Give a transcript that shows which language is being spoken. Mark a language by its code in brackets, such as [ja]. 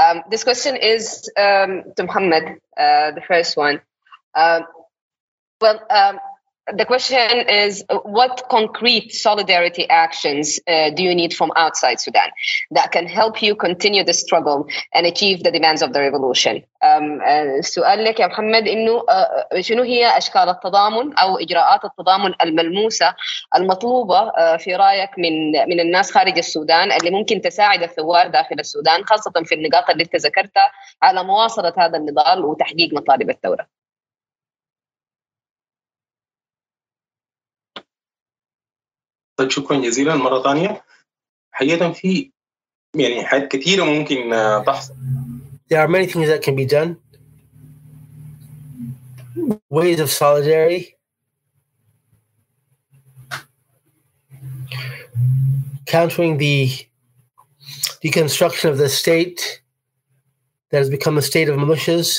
[en] This question is to Mohammed, the first one. The question is, what concrete solidarity actions do you need from outside Sudan that can help you continue the struggle and achieve the demands of the revolution? [ar] سؤالك يا محمد إنه شنو هي أشكال التضامن أو إجراءات التضامن الملموسة المطلوبة في رأيك من الناس خارج السودان اللي ممكن تساعد الثوار داخل السودان خاصة في النقاط اللي انت ذكرتها على مواصلة هذا النضال وتحقيق مطالب الثورة؟ شكرا جزيلا مره ثانيه. حقيقه في يعني حاجات كثيره ممكن تحصل. [en] There are many things that can be done. Ways of solidarity. Countering the deconstruction of the state that has become a state of militias.